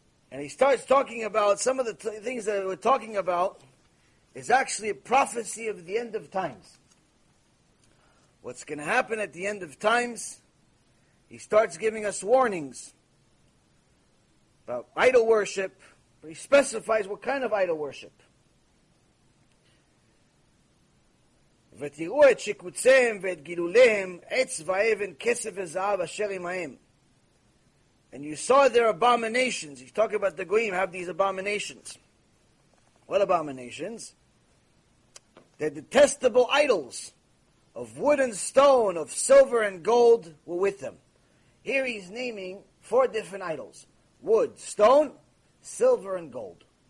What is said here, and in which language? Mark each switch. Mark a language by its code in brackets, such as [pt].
[en] And he starts talking about some of the things that we're talking about is actually a prophecy of the end of times. What's going to happen at the end of times? He starts giving us warnings. about idol worship, but he specifies what kind of idol worship. [he] ותראו את שקוציהם ואת גילוליהם, עץ ואבן, כסף וזהב, אשר עמהם. [en] And you saw their abominations. He's talking about the goyim have these abominations. What abominations? Their detestable idols of wood and stone, of silver and gold were with them. Here he's naming four different idols. Wood, stone, silver and gold.